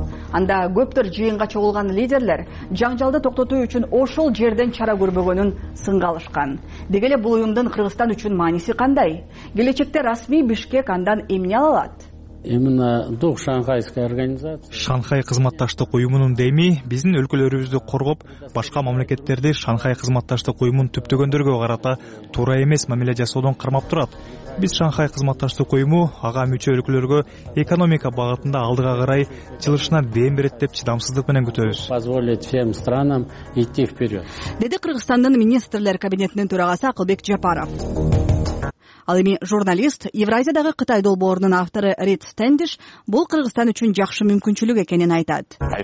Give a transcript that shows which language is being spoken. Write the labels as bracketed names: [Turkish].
[Kyrgyz] Анда көптөр жыйынга чогулган лидерлер жаңжалды токтотуу үчүн ошол жерден чара көрбөгөнүн сынга алышкан. Деги эле бул уюмдун Кыргызстан үчүн мааниси кандай? Келечекте расмий Бишкек андан эмне ала алат? [Russian] Именно дух Шанхайской организации. [Kyrgyz] Шанхай кызматташтык уюмунун дейми биздин өлкөлөрүбүздү коргоп, башка мамлекеттерди Шанхай кызматташтык уюмун түптөгөндөргө карата туура эмес мамиле жасоодон кармап турат. Биз Шанхай кызматташтык уюму ага мүчө өлкөлөргө экономика багытында алдыга карай жылышына дем берет деп чыдамсыздык менен күтөбүз. [Russian] Позволит всем странам идти вперед. [Kyrgyz] Деди Кыргызстандын министрлер кабинетинин төрагасы Акылбек Жапаров. Ал эми журналист, Евразиядагы Кытай долбоорунун автору Рид Стендиш бул Кыргызстан үчүн жакшы мүмкүнчүлүк экенин айтат.